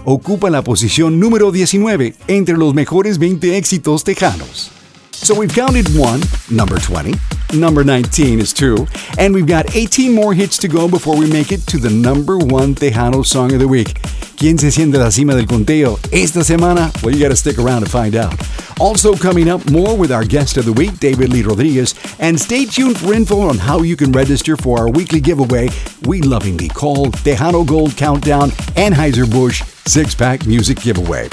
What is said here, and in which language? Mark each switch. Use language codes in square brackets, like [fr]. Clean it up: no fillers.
[es] Ocupa la posición número 19 entre los mejores 20 éxitos tejanos. [en] So we've counted one, number 20, number 19 is true, and we've got 18 more hits to go before we make it to the number one Tejano song of the week. [es] ¿Quién se siente a la cima del conteo esta semana? [en] Well, you gotta stick around to find out. Also coming up, more with our guest of the week, David Lee Rodriguez, and stay tuned for info on how you can register for our weekly giveaway, we lovingly call Tejano Gold Countdown Anheuser-Busch Six-Pack Music Giveaway.